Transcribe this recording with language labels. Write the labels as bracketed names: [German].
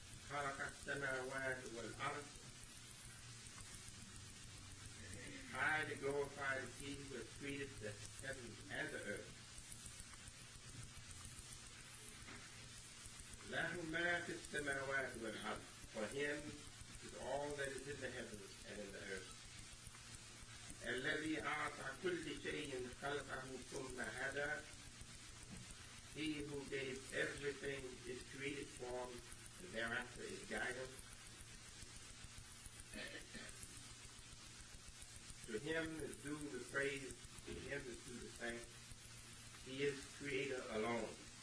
[Arabic] خلق السماوات والأرض. [English] High to glorify the King who has created the heavens and the earth. [Arabic] له ما في السماوات والأرض. [English] For him is all that is in the heavens and in the earth. [Arabic] الذي أعطى كل شيء خلقه ثم هدى. [English] He who gave everything its created form and thereafter is guided. To him is due the praise, to him is due the thanks. He is creator alone.